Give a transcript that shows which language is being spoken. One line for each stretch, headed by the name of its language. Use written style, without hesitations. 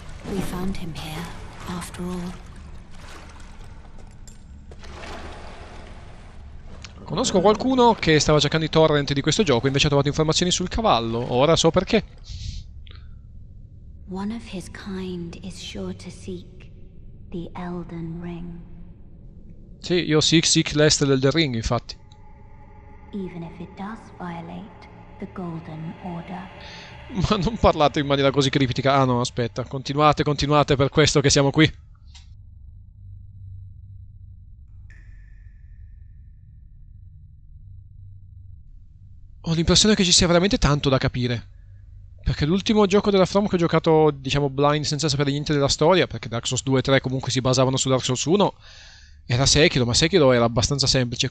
English: We found him here, after all.
Italian: Conosco qualcuno che stava cercando i torrent di questo gioco, invece ha trovato informazioni sul cavallo. Ora so perché.
English: One of his kind is sure to seek the Elden Ring.
Italian: Sì, io
English: seek
Italian: l'est dell'Elden Ring, infatti.
English: Even if it does violate the Golden Order.
Italian: Ma non parlate in maniera così criptica. Ah no, aspetta. Continuate per questo che siamo qui. Ho l'impressione che ci sia veramente tanto da capire. Perché l'ultimo gioco della From che ho giocato, diciamo, blind, senza sapere niente della storia, perché Dark Souls 2 e 3 comunque si basavano su Dark Souls 1, era Sekiro, ma Sekiro era abbastanza semplice.